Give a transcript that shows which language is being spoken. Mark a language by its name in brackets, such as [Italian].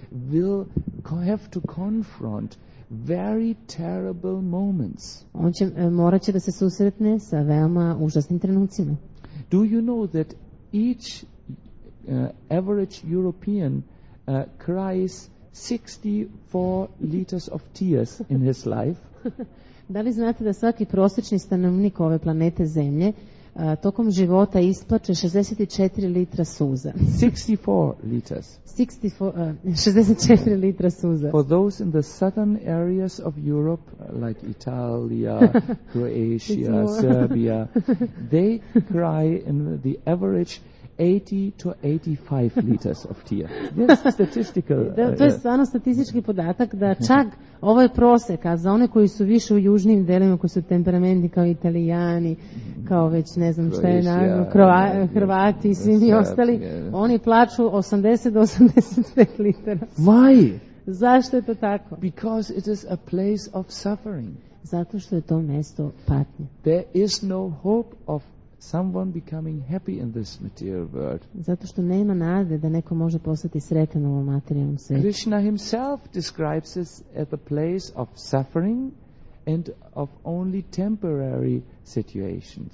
[English] will have to confront very terrible moments. [Serbian] On će morat će da se susretne sa veoma užasnim trenucima. [English] Do you know that each average European cries 64 liters of tears in his life? [Serbian] Da li znate da svaki prosječni stanovnik ove planete Zemlje tokom života isplače 64 litra suza? [English] 64 liters. [Serbian] 64 litra suza. [English] For those in the southern areas of Europe, like Italia, Croatia, Serbia, they cry in the average 80 to 85 liters of tear. Yes, statistical. [Serbian] Da, to je stvarno statistički podatak da čak ovo je prosek, a za one koji su više u južnim delima, koji su temperamentni kao Italijani, kao već ne znam šta je nazvao, Hrvati i svi mi ostali, oni plaču 80 do 85 litera. [English] Why? [Serbian] Zašto je to tako? [English] Because it is a place of suffering. [Serbian] Zato što je to mesto patnje. [English] There is no hope of someone becoming happy in this material world. [Serbian] Zato što nema nade da neko može postati sretan u ovom materijalnom svijetu. [English] Krishna himself describes this as a place of suffering and of only temporary situations.